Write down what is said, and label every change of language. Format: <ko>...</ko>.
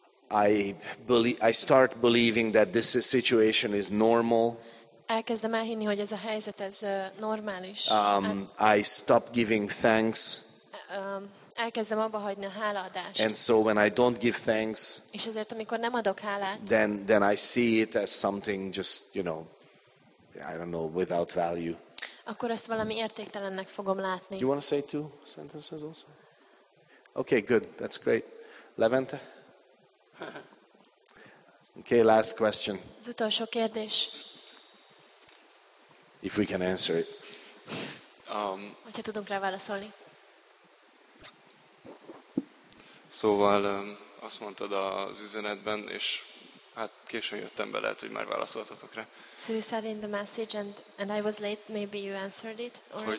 <en>I start believing that this situation is normal.</en> <hu>Elkezdem elhinni, hogy ez a helyzet ez normális.</hu> <en>I stop giving thanks.</en> <hu>Elkezdem abba hagyni a hálaadást.</hu> <en>And so when I don't give thanks.</en> <hu>És ezért amikor nem adok hálát.</hu> <en>Then I see it as something just, you know, I don't know, without value.</en> <hu>Akkor ezt valami értéktelennek fogom látni.</hu> <en>You want to say two sentences also? Okay, good. That's great. Levente. Okay, last question.</en> <hu>Az utolsó kérdés.</hu> <en>If we can answer it.</en> <hu>Hogyha tudunk rá válaszolni. Szóval azt mondtad az üzenetben, és hát későn jöttem be, lehet, hogy már válaszoltatok rá.</hu> <en>So you said in the message, and I was late, maybe you answered it already.</en>